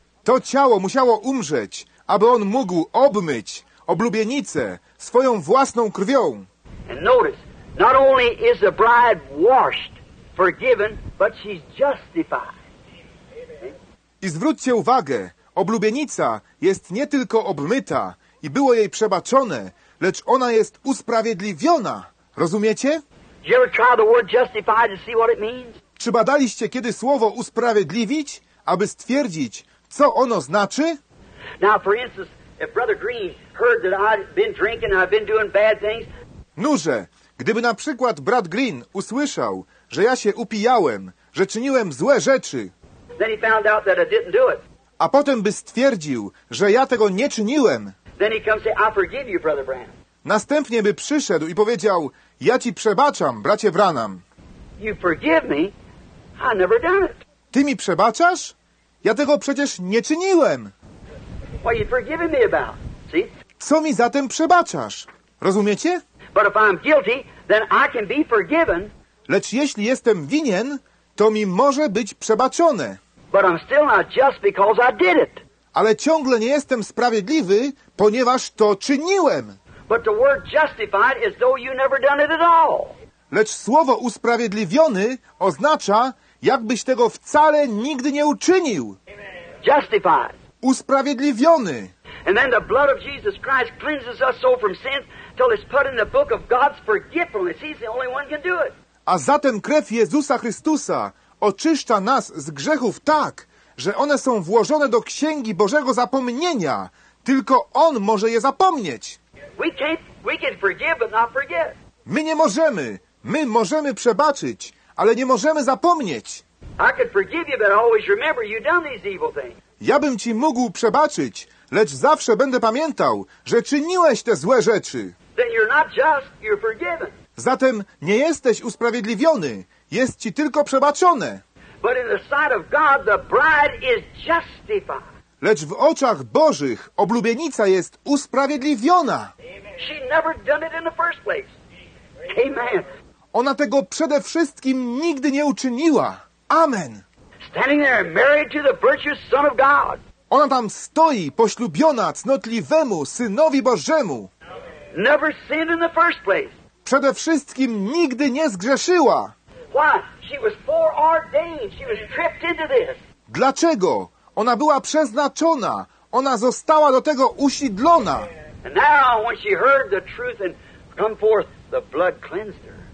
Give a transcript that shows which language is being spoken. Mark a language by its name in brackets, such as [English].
[Polish] To ciało musiało umrzeć, aby on mógł obmyć oblubienicę swoją własną krwią. [English] And notice, not only is the bride washed, forgiven, but she's justified. [Polish] I zwróćcie uwagę, oblubienica jest nie tylko obmyta i było jej przebaczone, lecz ona jest usprawiedliwiona. Rozumiecie? [English] Did you ever try the word justified to see what it means? [Polish] Czy badaliście kiedy słowo usprawiedliwić, aby stwierdzić, co ono znaczy? [English] Now, for instance, if Brother Green heard that I'd been drinking and I've been doing bad things. [Polish] Noże, gdyby na przykład brat Green usłyszał, że ja się upijałem, że czyniłem złe rzeczy. [English] Then he found out that I didn't do it. [Polish] A potem by stwierdził, że ja tego nie czyniłem. [English] Then he comes and says, I forgive you, Brother Branham. [Polish] Następnie by przyszedł i powiedział, ja ci przebaczam, bracie Branham. [English] You forgive me? I never done it. [Polish] Ty mi przebaczasz? Ja tego przecież nie czyniłem. [English] What are you forgiving me about? See? [Polish] Co mi zatem przebaczasz? Rozumiecie? [English] But if I'm guilty, then I can be forgiven. [Polish] Lecz jeśli jestem winien, to mi może być przebaczone. [English] But I'm still not just because I did it. [Polish] Ale ciągle nie jestem sprawiedliwy, ponieważ to czyniłem. [English] But the word justified is though you never done it at all. [Polish] Lecz słowo usprawiedliwiony oznacza, jakbyś tego wcale nigdy nie uczynił. [English] Justified. [Polish] Usprawiedliwiony. [English] And then the blood of Jesus Christ cleanses us so from sin till it's put in the book of God's forgiveness. He's the only one can do it. [Polish] A zatem krew Jezusa Chrystusa oczyszcza nas z grzechów tak, że one są włożone do księgi Bożego zapomnienia. Tylko On może je zapomnieć. [English] We can forgive but not forget. [Polish] My nie możemy. My możemy przebaczyć, ale nie możemy zapomnieć. [English] I could forgive you, but I always remember you done these evil things. [Polish] Ja bym ci mógł przebaczyć, lecz zawsze będę pamiętał, że czyniłeś te złe rzeczy. [English] Then you're not just, you're forgiven. [Polish] Zatem nie jesteś usprawiedliwiony. Jest ci tylko przebaczone. [English] But in the sight of God, the bride is justified. [Polish] Lecz w oczach Bożych oblubienica jest usprawiedliwiona. [English] She never done it in the first place. Amen. [Polish] Ona tego przede wszystkim nigdy nie uczyniła. Amen. [English] Standing there married to the virtuous Son of God. [Polish] Ona tam stoi, poślubiona cnotliwemu Synowi Bożemu. [English] Never sinned in the first place. [Polish] Przede wszystkim nigdy nie zgrzeszyła. [English] Why? She was foreordained. She was tripped into this. [Polish] Dlaczego? Ona była przeznaczona. Ona została do tego usiedlona. [English] And now, when she heard the truth and come forth, the blood cleansed her.